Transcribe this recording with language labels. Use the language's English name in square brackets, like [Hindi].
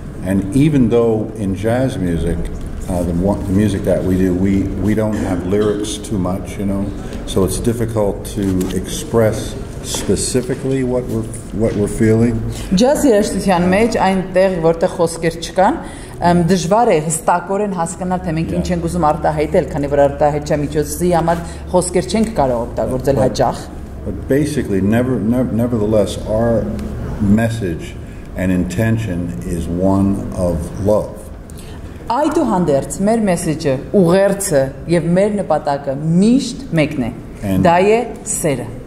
[English] And even though in jazz music the music that we do we don't have lyrics too much, you know. So it's difficult to express specifically what we're feeling. [Armenian] Ջազ երաժշտության մեջ այնտեղ որտեղ խոսքեր չկան, դժվար է հստակորեն հասկանալ թե մենք ինչ ենք ուզում արտահայտել, քանի որ արտահայտչի միջոցի համար խոսքեր չենք կարող օգտագործել հաճախ։ [English] But basically, nevertheless, our message and intention is one of love. [Armenian] Այդուհանդերձ մեր մեսեջը, ուղերձը եւ մեր նպատակը միշտ մեկն է։ Դա է սերը։